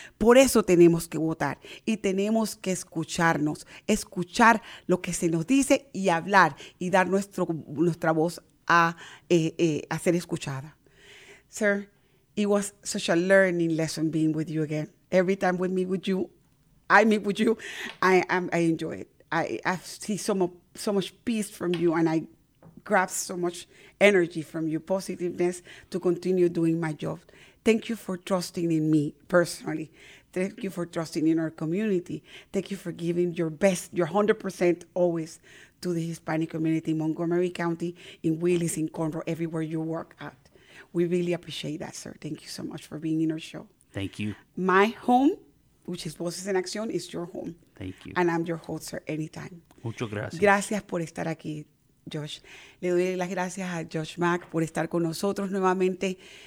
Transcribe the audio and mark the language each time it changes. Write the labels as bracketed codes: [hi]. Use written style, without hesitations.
[es] Por eso tenemos que votar y tenemos que escucharnos, escuchar lo que se nos dice y hablar y dar nuestra voz a ser escuchada. [en] Sir, it was such a learning lesson being with you again. Every time I meet with you, I enjoy it. I see so much peace from you and I grab so much energy from you, positiveness to continue doing my job. Thank you for trusting in me personally. Thank you for trusting in our community. Thank you for giving your best, your 100% always to the Hispanic community in Montgomery County, in Willis, in Conroe, everywhere you work at. We really appreciate that, sir. Thank you so much for being in our show. Thank you. My home, which is Voces en Acción, is your home. Thank you. And I'm your host, sir, anytime. [es] Muchas gracias. Gracias por estar aquí, Josh. Le doy las gracias a Josh Mack por estar con nosotros nuevamente.